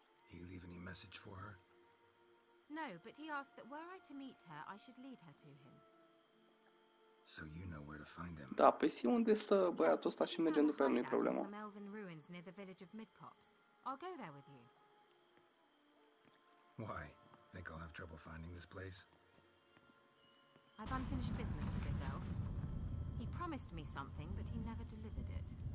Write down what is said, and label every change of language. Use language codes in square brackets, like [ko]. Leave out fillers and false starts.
[en] He leave any message for her? No, but he asked that were I to meet her, I should lead her to him. So you know where to find him. [ro] Da, pe si unde stă băiatul ăsta și mergem după el, nu e problema. [en] Some elven ruins near the village of Midcops. I'll go there with you. Why? Think I'll have trouble finding this place? I've unfinished business with this elf. He promised me something, but he never delivered it.